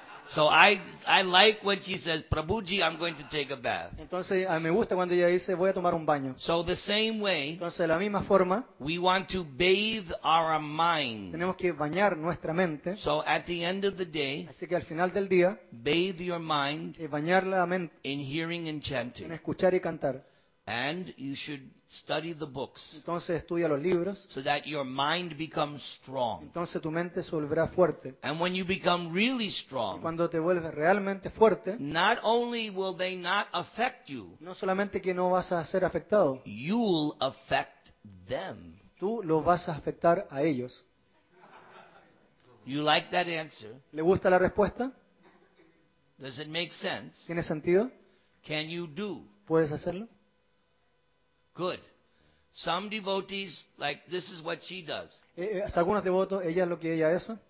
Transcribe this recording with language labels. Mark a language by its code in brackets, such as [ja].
[en] So I like when she says, Prabhuji, I'm going to take a bath. [es] Entonces me gusta cuando ella dice, voy a tomar un baño. [en] So the same way, [es] entonces de la misma forma, [en] we want to bathe our mind. [es] Tenemos que bañar nuestra mente. [en] So at the end of the day, [es] así que al final del día, [en] bathe your mind, [es] bañar la mente, [en] in hearing and chanting, [es] en escuchar y cantar. [en] And you should study the books. [es] Entonces estudia los libros. [en] So that your mind becomes strong. [es] Entonces tu mente se volverá fuerte. [en] And when you become really strong. [es] Y cuando te vuelves realmente fuerte. [en] Not only will they not affect you. [es] No solamente que no vas a ser afectado. [en] You'll affect them. [es] Tú los vas a afectar a ellos. [en] You like that answer? [es] ¿Le gusta la respuesta? [en] Does it make sense? [es] ¿Tiene sentido? [en] Can you do? [es] ¿Puedes hacerlo? [en] Good. Some devotees, like this is what she does. [es] Algunos devotos, ella es lo que ella hace.